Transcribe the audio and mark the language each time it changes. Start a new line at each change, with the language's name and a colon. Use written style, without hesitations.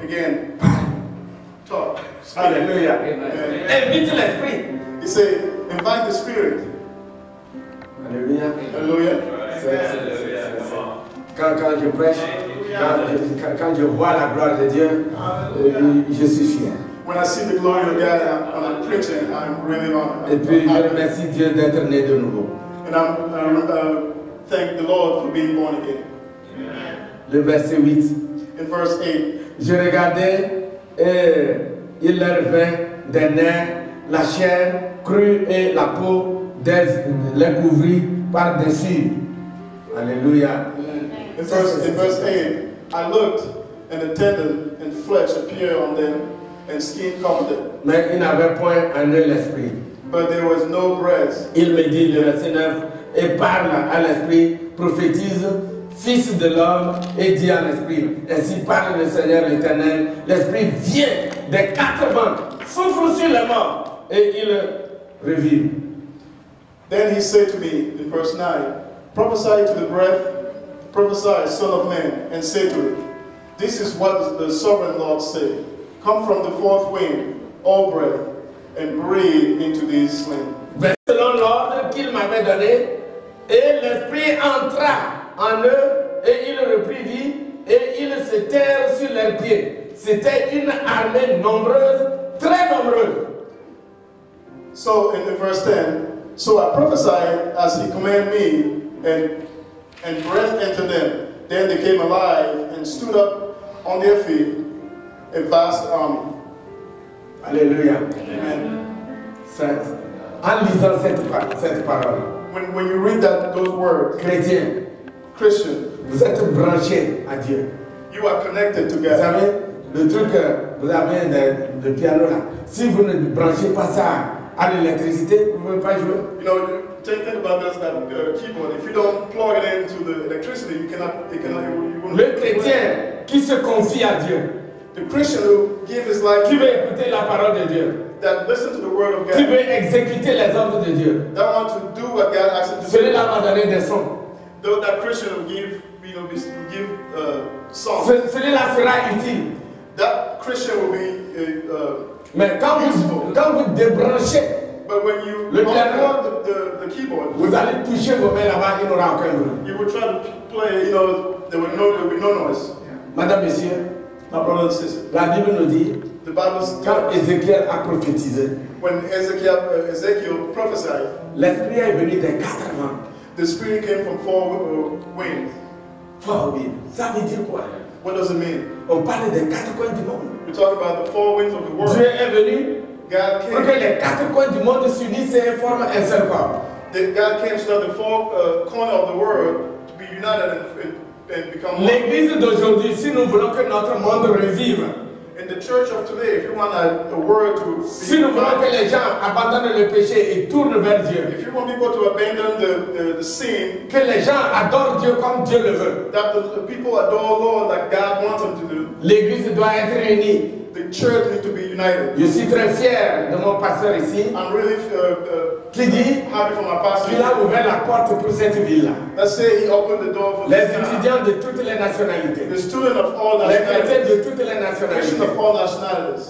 English: Again. Talk.
French: Alléluia. Invite l'esprit.
English: He said, invite the spirit.
French: Alléluia. Alléluia. Quand je prêche, quand je vois la gloire de Dieu, je suis fier.
English: When I see the glory of God, when I'm preaching, I'm really honored.
French: Et puis je remercie Dieu d'être né de nouveau.
English: And I thank the Lord for being born again.
French: Le verset 8.
English: In verse 8.
French: Je regardais et il leur vint des nerfs, la chair crue et la peau. Les couvrir par-dessus. Alléluia.
English: In verse 8, I looked, and the tendon and flesh appeared on them, and skin covered them.
French: Mais il n'avait point un œil l'esprit.
English: But there was no breath.
French: Il me dit, le verset 9, et parle à l'esprit, prophétise, fils de l'homme, et dit à l'esprit. Ainsi parle le Seigneur l'Éternel, l'esprit vient des quatre vents, souffle sur les morts, et il revit.
English: Then he said to me in verse 9, prophesy to the breath, prophesy, son of man, and say to it, this is what the sovereign Lord said, come from the fourth wind, O breath, and breathe into this slain.
French: Verset selon l'ordre qu'il m'avait donné, et l'esprit entra en eux, et il reprit vie, et ils se tinrent sur leurs pieds. C'était une armée nombreuse, très nombreuse.
English: So in the verse 10, So I prophesied as he commanded me, and breath entered them. Then they came alive and stood up on their feet, a vast army. Alleluia. Amen.
French: Saint. En lisant cette parole,
English: when you read those words,
French: chrétien,
English: Christian,
French: vous êtes branché à Dieu.
English: You are connected to God.
French: Vous savez, le truc, vous avez le piano là. Si vous ne branchez pas ça à l'électricité, vous ne pouvez pas jouer.
English: You know, think about this, that keyboard. If you don't plug it into the electricity, you won't.
French: Le chrétien qui se confie à Dieu.
English: The Christian who gives his life.
French: Qui veut écouter la parole de Dieu.
English: That listen to the word of God.
French: Qui veut exécuter les ordres de Dieu.
English: That want to do what God asks him to do.
French: Celui-là va donner des sons.
English: Though that Christian will give, you know, will give songs.
French: Celui-là sera utile.
English: That Christian will be
French: mais quand vous débranchez,
English: but when you
French: le piano,
English: the keyboard,
French: vous allez toucher vos mains là-bas, il n'aura aucun bruit.
English: You will try to play, you know, there will be no noise.
French: Madame, Monsieur,
English: my brother and sister,
French: la Bible nous dit,
English: the Bible says,
French: quand Ézéchiel a prophétisé,
English: when Ézéchiel prophesied,
French: l'esprit est venu des quatre vents.
English: The spirit came from four winds. Four winds.
French: Ça veut dire quoi?
English: What does it mean?
French: On parle des quatre coins du monde.
English: We talk about the four winds of the world.
French: Dieu est venu.
English: God came.
French: Pour que les quatre coins du monde s'unissent et forment un seul corps.
English: God came so that the four corners of the world to be united and become one.
French: L'église d'aujourd'hui, si nous voulons que notre monde revive.
English: In the church of today, if you want a world to be,
French: si nous voulons que les gens abandonnent le péché et tournent vers Dieu,
English: if you want people to abandon the sin,
French: que les gens adorent Dieu comme Dieu le veut,
English: that the people adore Lord like God wants them to do,
French: l'église doit être réunie.
English: The church needs to be united.
French: Je suis très fier de mon pasteur ici.
English: I'm really
French: qui dit,
English: happy for my pastor.
French: Qu'il a ouvert la porte pour cette ville-là.
English: Let's say he opened the door for
French: les étudiants de toutes les nationalités.
English: The student of all nationalities.
French: Les chrétiens de toutes les nationalités.
English: Christians of all nationalities.